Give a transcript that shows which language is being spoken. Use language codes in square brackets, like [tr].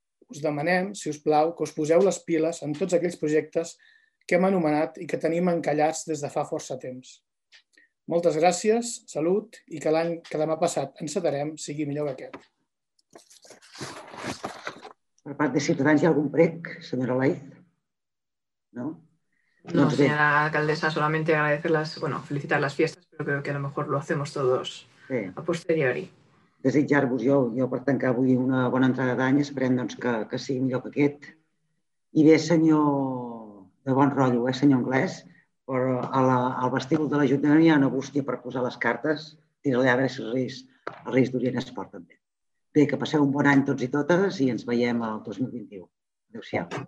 [ca] Us demanem, si us plau, que us poseu les piles en tots aquells projectes que hem anomenat i que tenim encallats des de fa força temps. Moltes gràcies, salut, i que l'any que demà passat encetarem sigui millor que aquest. Per part de Ciutadans, hi ha algun prec, senyora Laiz? No? [es] No, doncs senyora alcaldessa, solamente agradecerles, bueno, felicitar las fiestas, pero creo que a lo mejor lo hacemos todos a posteriori. [ca] Desitjar-vos jo per tancar avui una bona entrada d'any, esperem doncs, que sigui millor que aquest. I bé, senyor de bon rotllo, senyor Anglès, però al vestíbul de l'Ajuntament hi ha una bústia per posar les cartes. Tira-li a veure si els reis d'Orient es porten bé. Bé, que passeu un bon any tots i totes i ens veiem el 2021. Adéu-siau.